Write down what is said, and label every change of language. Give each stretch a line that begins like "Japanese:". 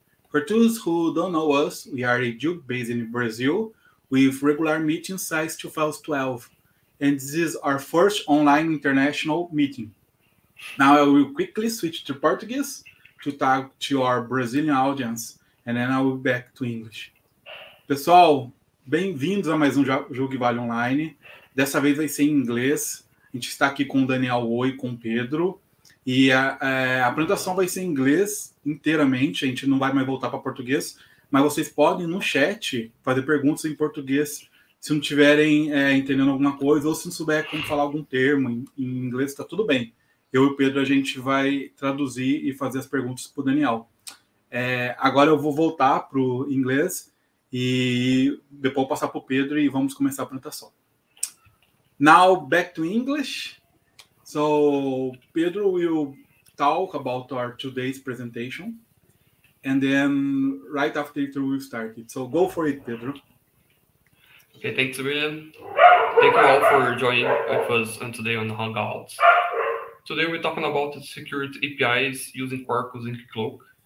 English: For those who don't know us, we are a Duke based in Brazil with regular meeting since 2012. And this is our first online international meeting. Now I will quickly switch to Portuguese to talk to our Brazilian audience, and then I will be back to English.
Portuguese: Pessoal, bem-vindos a mais um Jogue Vale Online. Dessa vez vai ser em inglês. A gente está aqui com o Daniel Oi, com o Pedro. E a apresentação vai ser em inglês inteiramente. A gente não vai mais voltar para português. Mas vocês podem, no chat, fazer perguntas em português se não estiverem entendendo alguma coisa ou se não souber como falar algum termo em inglês, está tudo bem. Eu e o Pedro, a gente vai traduzir e fazer as perguntas para o Daniel. Agora eu vou voltar para o inglês e depois passar para o Pedro e vamos começar a apresentação.
English: Now, back to English. So, Pedro will talk about our today's presentation. And then, right after it, we'll start it. So, go for it, Pedro. Okay, thanks, William. Thank you all for joining with us today on Hangouts. Today we're talking about the security APIs using Quarkus and Keycloak.